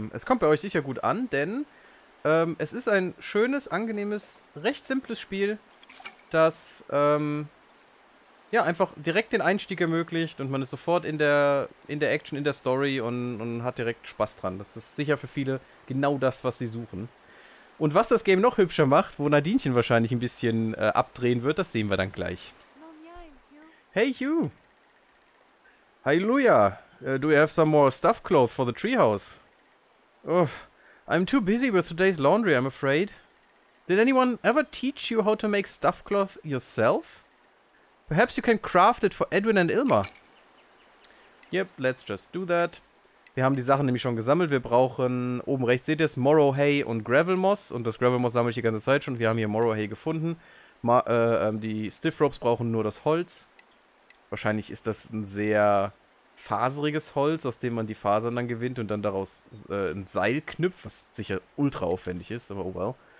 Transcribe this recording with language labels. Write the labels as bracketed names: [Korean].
[German] Es kommt bei euch sicher gut an, denn es ist ein schönes, angenehmes, recht simples Spiel, das ja einfach direkt den Einstieg ermöglicht und man ist sofort in der Action, in der Story und hat direkt Spaß dran. Das ist sicher für viele genau das, was sie suchen. Und was das Game noch hübscher macht, wo Nadinchen wahrscheinlich ein bisschen abdrehen wird, das sehen wir dann gleich. [English] Hey, Hugh! Hallelujah! Do you have some more stuff clothes for the treehouse? Oh, I'm too busy with today's laundry, I'm afraid. Did anyone ever teach you how to make stuff cloth yourself? Perhaps you can craft it for Edwin and Ilma. Yep, let's just do that. [German] Wir haben die Sachen nämlich schon gesammelt. Wir brauchen oben rechts, seht ihr es, Morrow Hay und Gravel Moss. Und das Gravel Moss sammle ich die ganze Zeit schon. Wir haben hier Morrow Hay gefunden. Die Stiff Ropes brauchen nur das Holz. Wahrscheinlich ist das ein sehr faseriges Holz, aus dem man die Fasern dann gewinnt und dann daraus ein Seil knüpft, was sicher ultra aufwendig ist, aber oh well.